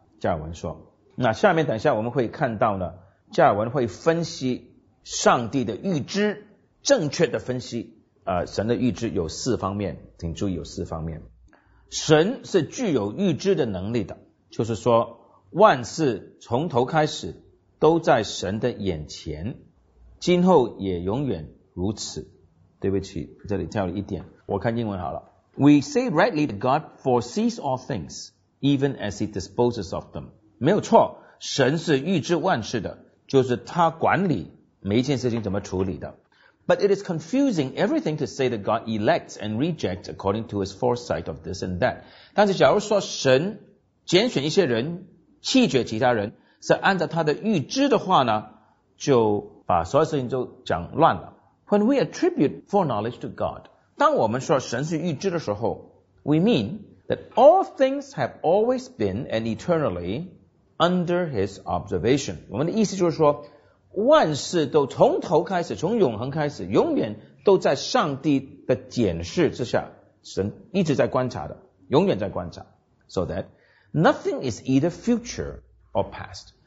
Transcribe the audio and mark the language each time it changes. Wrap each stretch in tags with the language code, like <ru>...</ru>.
<zh>加尔文说，那下面等一下我们会看到呢，加尔文会分析上帝的预知，正确的分析神的预知有四方面，请注意有四方面。神是具有预知的能力的，就是说万事从头开始都在神的眼前，今后也永远如此。对不起，这里跳了一点，我看英文好了。</zh> <en>We say rightly that God foresees all things even as he disposes of them，</en> <zh>没有错，神是预知万事的，就是他管理每一件事情怎么处理的。</zh> <en>But it is confusing everything to say that God elects and rejects according to his foresight of this and that，</en> <zh>但是假如说神拣选一些人弃绝其他人是按照他的预知的话呢，就把所有事情都讲乱了。</zh> <en>When we attribute foreknowledge to God，</en> <zh>当我们说神是预知的时候，</zh> <en>We mean that all things have always been and eternally under his observation，</en> <zh>我们的意思就是说万事都从头开始，从永恒开始，永远都在上帝的检视之下，神一直在观察的，永远在观察。</zh> <en>So that nothing is either future or past，</en>